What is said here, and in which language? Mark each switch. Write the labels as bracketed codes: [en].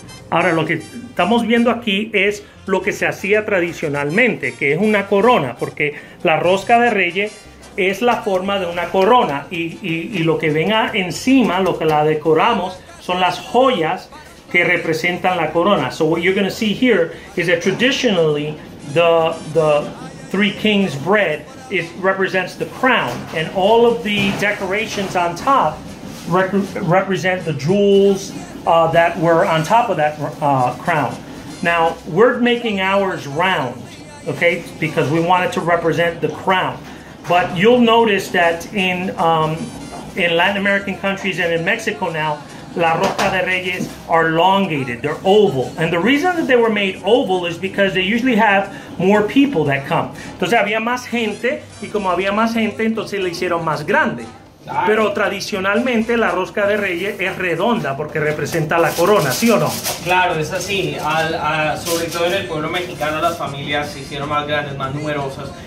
[es] Ahora lo que estamos viendo aquí es lo que se hacía tradicionalmente, que es una corona, porque la rosca de reyes es la forma de una corona y lo que venga encima, lo que la decoramos, son las joyas que representan la corona. [en] So what you're going to see here is that traditionally the Three Kings bread is represents the crown and all of the decorations on top represent the jewels that were on top of that crown. Now we're making ours round, okay, because we wanted to represent the crown. But you'll notice that in Latin American countries and in Mexico now, la rosca de reyes are elongated, they're oval. And the reason that they were made oval is because they usually have more people that come. [es] Entonces había más gente y como había más gente, entonces le hicieron más grande. Pero tradicionalmente la rosca de reyes es redonda porque representa la corona, ¿sí o no? Claro, es así. Sobre todo en el pueblo mexicano las familias se hicieron más grandes, más numerosas.